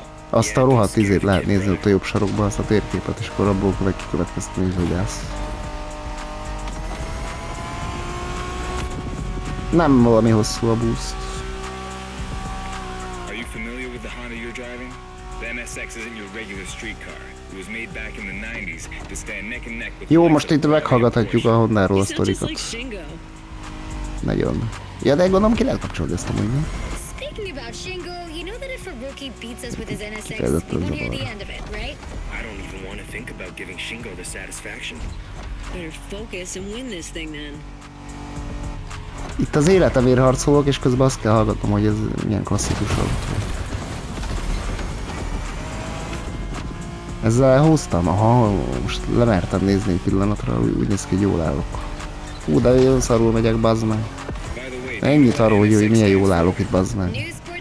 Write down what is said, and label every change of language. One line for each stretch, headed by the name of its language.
Hungarian: Azt a rohadt izét lehet nézni ott a jobb sarokban, azt a térképet, és akkor abból meg kikövetkeztetni, hogy állsz. Nem valami hosszú a boost.
English: Are you familiar with the Honda you're driving? The MSX isn't your regular street car. It was made back in the 90s to stand neck and neck with...
Hungarian: Jó, most itt meghallgathatjuk a Honda-ról a sztorikat. Nagyon. Ja, de gondolom ki lehet kapcsolni ezt amúgy, nem? Kifejezetten zavar.
English: I don't even want to think about giving Shingo the satisfaction. Better focus and win this thing then.
Hungarian: Itt az életemért harcolok, és közben azt kell hallgatnom, hogy ez milyen klasszikus autó. Ezzel húztam, aha, most lemertem nézni egy pillanatra, úgy néz ki, hogy jól állok. Hú, de én szarul megyek, bazd meg. Ennyit arról, hogy milyen jól állok itt, bazd meg.